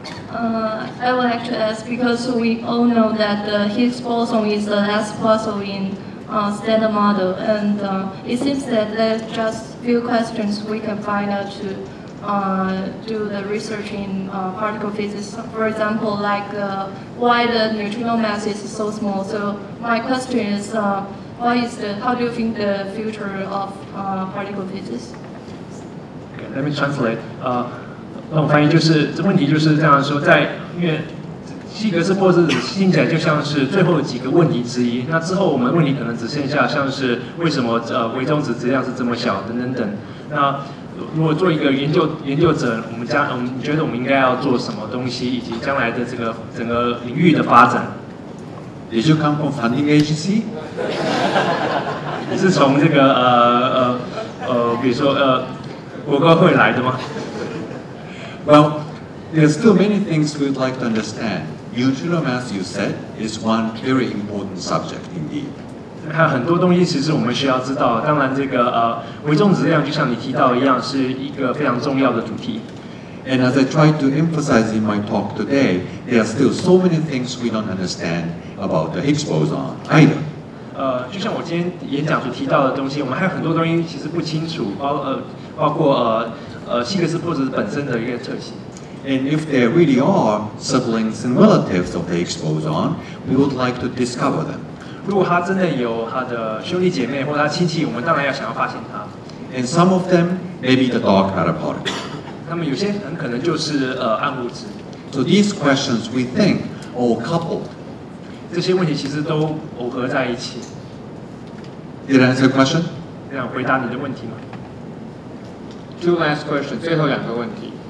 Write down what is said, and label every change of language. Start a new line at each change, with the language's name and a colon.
English: I would like to ask, because we all know that the Higgs boson is the last puzzle in standard model, and it seems that there's just few questions we can find out to do the research in particle physics. For example, like why the neutrino mass is so small. So my question is, how do you think the future of particle physics? Let me translate.
Chinese: 那我翻译就是，这问题就是这样说，在因为希格斯玻色子听起来就像是最后几个问题之一。那之后我们问题可能只剩下像是为什么微中子质量是这么小等等等。那如果做一个研究者，你觉得我们应该要做什么东西，以及将来的这个整个领域的发展
English: ？Did you come from funding agency?
Chinese: 你是从这个比如说国高会来的吗？
English: Well, there's still many things we'd like to understand. Neutrino mass, you said, is one very important subject indeed.
Chinese: 还有很多东西其实我们需要知道。当然，这个微中子量就像你提到一样，是一个非常重要的主题。
English: And as I tried to emphasize in my talk today, there are still so many things we don't understand about the Higgs boson either.
Chinese: 就像我今天演讲所提到的东西，我们还有很多东西其实不清楚，包括希格斯玻色子本身的一个特性。
English: And if there really are siblings and relatives of the Higgs boson, we would like to discover them.
Chinese: 如果它真的有它的兄弟姐妹或它亲戚，我们当然要想要发现它。
English: And some of them may be the dark matter particle.
Chinese: 那么有些很可能就是暗物质。
English: So these questions we think are coupled.
Chinese: 这些问题其实都耦合在一起。
English: Did I answer your question?
Chinese: 这样回答你的问题吗？
English: Two last questions,
Chinese: 最后两个问题。